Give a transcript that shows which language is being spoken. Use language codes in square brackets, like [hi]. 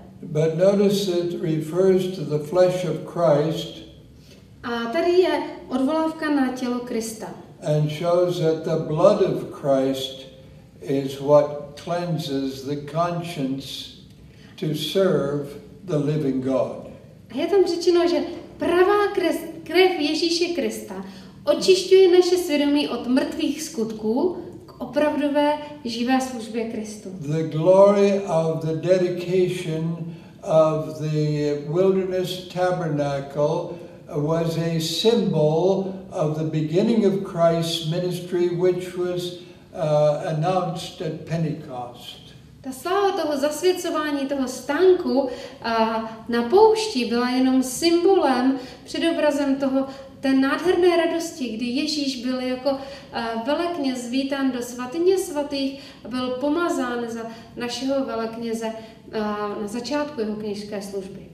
[en] But notice it refers to the flesh of Christ. [cs] A tady je odvolávka na tělo Krista. [en] And shows that the blood of Christ is what cleanses the conscience to serve the living God. [cs] Je tam řečeno, že pravá krev Ježíše Krista očišťuje naše svědomí od mrtvých skutků k opravdové živé službě Kristu. [en] The glory of the dedication of the wilderness tabernacle was a symbol of the beginning of Christ's ministry, which was announced at Pentecost. [cs] Ta sláva toho zasvěcování, toho stánku na poušti byla jenom symbolem, předobrazem toho, té nádherné radosti, kdy Ježíš byl jako velekněz vítán do svatyně svatých a byl pomazán za našeho velekněze na začátku jeho kněžské služby.